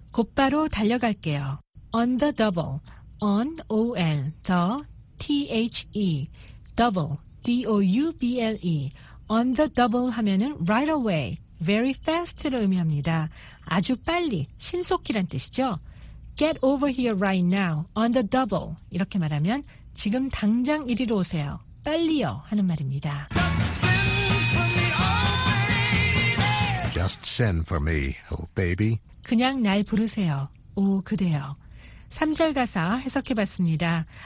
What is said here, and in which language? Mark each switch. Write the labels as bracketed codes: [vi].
[ko] 곧바로 달려갈게요. [en] On the double, on, O-N, the, T-H-E, double, D-O-U-B-L-E. [ko] On the double 하면은 [en] right away, very fast [ko] 를 의미합니다. 아주 빨리, 신속히란 뜻이죠. [en] Get over here right now, on the double. [ko] 이렇게 말하면 지금 당장 이리로 오세요. 빨리요 하는 말입니다. [en] Just send for me, oh baby. [ko] 그냥 날 부르세요, 오 그대여. 3절 가사 해석해봤습니다.